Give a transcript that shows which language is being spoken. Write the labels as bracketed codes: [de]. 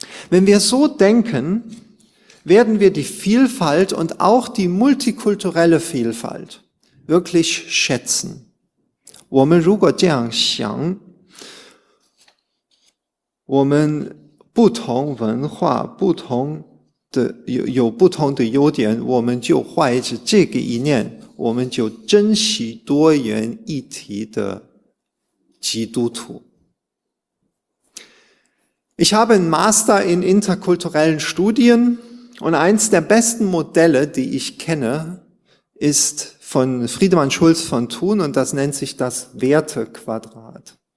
[de] Wenn wir so denken, werden wir die Vielfalt und auch die multikulturelle Vielfalt wirklich schätzen. [zh] 我们如果这样想，我们不同文化不同的 有不同的优点，我们就怀着这个一念，我们就珍惜多元一体的基督徒。 [de] Ich habe einen Master in interkulturellen Studien und eins der besten Modelle, die ich kenne, ist von Friedemann Schulz von Thun und das nennt sich das Wertequadrat.